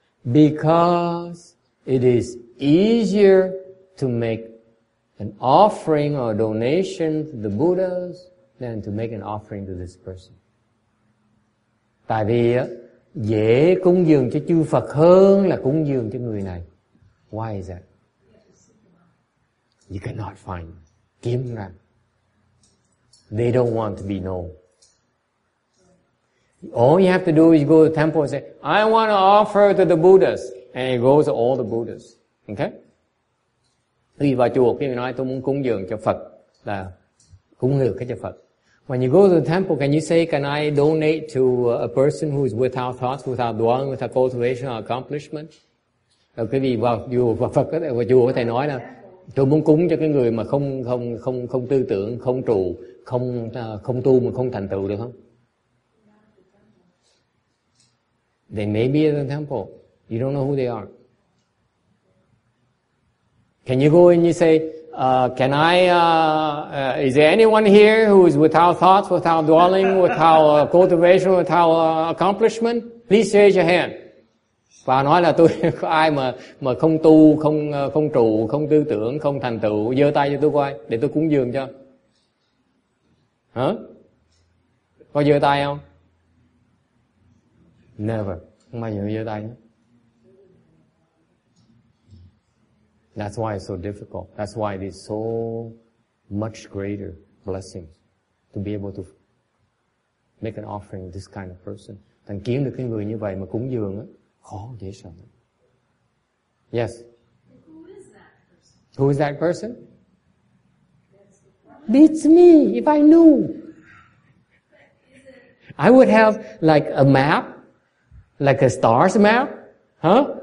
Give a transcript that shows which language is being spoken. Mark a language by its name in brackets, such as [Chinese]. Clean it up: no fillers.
[English] Because it is easier to make an offering or donation to the Buddhas than to make an offering to this person. [Vietnamese] Tại vì dễ cúng dường cho chư Phật hơn là cúng dường cho người này. [English] Why is that? You cannot find. [Vietnamese] Kiếm ra. [English] They don't want to be known. All you have to do is go to the temple and say, I want to offer to the Buddhas. And it goes to all the Buddhas. Okay? [Vietnamese] Đi vào chùa, khi mình nói tôi muốn cúng dường cho Phật, là cúng dường cái cho Phật. [English] When you go to the temple, can you say, can I donate to a person who is without thoughts, without dwelling, without cultivation or accomplishment? [Vietnamese] Rồi quý vị vào chùa, vào Phật có thể, vào chùa có thể nói là tôi muốn cúng cho cái người mà không tư tưởng, không trụ, không tu mà không thành tựu được không? [English] They may be at the temple. You don't know who they are. Can you go and you say, is there anyone here who is without thoughts, without dwelling, without cultivation, without accomplishment? Please raise your hand. [Vietnamese] Và nói là tôi có ai mà không tu, không trụ, không tư tưởng, không thành tựu, giơ tay cho tôi coi, để tôi cúng dường cho. Hả? Có giơ tay không? [English] Never. [Vietnamese] Không bao giờ giơ tay nữa. [English] That's why it's so difficult. That's why it is so much greater blessing to be able to make an offering to this kind of person. [Vietnamese] Thành kiếm được cái người như vậy mà cúng dường á, khó dễ sợ. [English] Yes. Who is that person? Who is that person? It's me. If I knew, I would have like a map, like a stars map, huh?